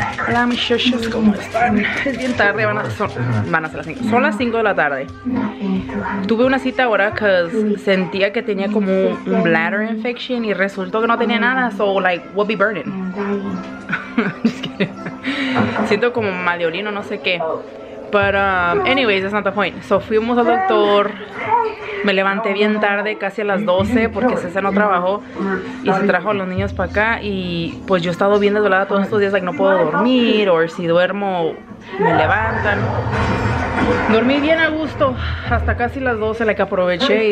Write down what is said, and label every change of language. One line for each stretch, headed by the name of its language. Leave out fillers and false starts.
Spanish: Hola, mis shushes, ¿cómo están? Es bien tarde, van a ser las 5. Son las 5 de la tarde. Tuve una cita ahora porque sentía que tenía como un
English: bladder infection
Spanish: y resultó que no tenía nada.
English: So, like, we'll be burning. Just kidding.
Spanish: Siento como mal de orino, no sé qué.
English: But, anyways, that's not the point.
Spanish: So, fuimos al doctor. Me levanté bien tarde, casi a las 12, porque César no trabajó y se trajo a los niños para acá. Y pues yo he estado bien desvelada todos estos días,
English: like,
Spanish: no puedo dormir, o si duermo, me levantan. Dormí bien a gusto hasta casi las 12, la que aproveché.